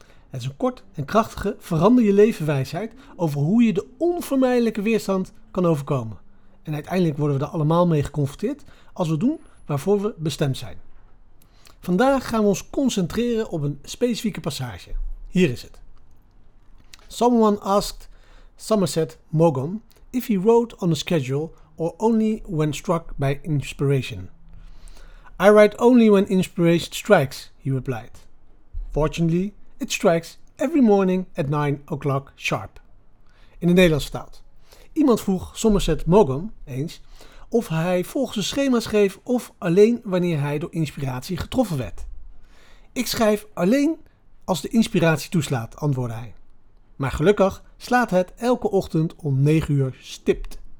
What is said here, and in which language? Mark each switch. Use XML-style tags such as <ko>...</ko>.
<nl>Het is een kort en krachtige verander je leven wijsheid over hoe je de onvermijdelijke weerstand kan overkomen. En uiteindelijk worden we er allemaal mee geconfronteerd als we doen waarvoor we bestemd zijn. Vandaag gaan we ons concentreren op een specifieke passage. Hier is het.</nl> <en>Someone asked Somerset Maugham if he wrote on a schedule or only when struck by inspiration. I write only when inspiration strikes, he replied. Fortunately, it strikes every morning at 9 o'clock sharp.</en> <nl>In het Nederlands vertaald. Iemand vroeg Somerset Maugham eens of hij volgens een schema schreef of alleen wanneer hij door inspiratie getroffen werd. Ik schrijf alleen als de inspiratie toeslaat, antwoordde hij. Maar gelukkig slaat het elke ochtend om 9 uur stipt.</nl>